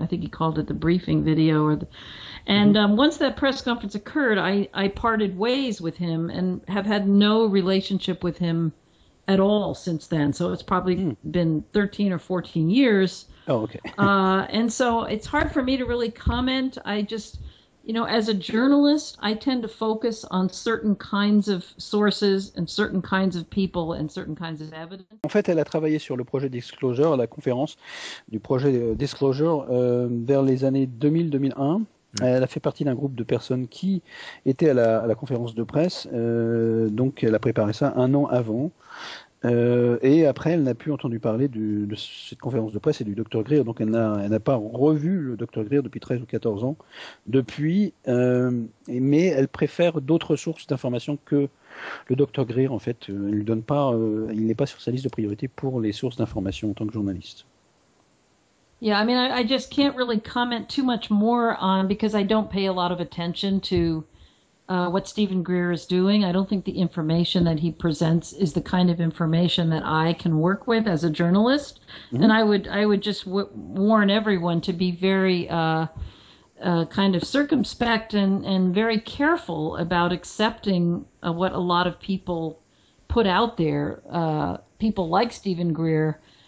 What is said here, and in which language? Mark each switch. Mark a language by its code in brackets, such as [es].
[en] I think he called it the briefing video. Once that press conference occurred, I parted ways with him and have had no relationship with him at all since then. So it's probably been 13 or 14 years. Oh, okay. And so it's hard for me to really comment. I just, you know, as a journalist, I tend to focus on certain kinds of sources and certain kinds of people and certain kinds of evidence. [fr] En fait, elle a travaillé sur le projet Disclosure, la conférence du projet Disclosure vers les années 2000-2001. Elle a fait partie d'un groupe de personnes qui étaient à la conférence de presse, donc elle a préparé ça un an avant. Et après, elle n'a plus entendu parler de cette conférence de presse et du Dr Greer, donc elle n'a pas revu le Dr Greer depuis 13 ou 14 ans depuis, mais elle préfère d'autres sources d'informations que le Dr Greer, en fait. Il n'est pas sur sa liste de priorité pour les sources d'informations en tant que journaliste. [en] Yeah, I mean, I just can't really comment too much more on because I don't pay a lot of attention to what Stephen Greer is doing. I don't think the information that he presents is the kind of information that I can work with as a journalist. Mm-hmm. And I would just warn everyone to be very kind of circumspect and very careful about accepting what a lot of people put out there, people like Stephen Greer.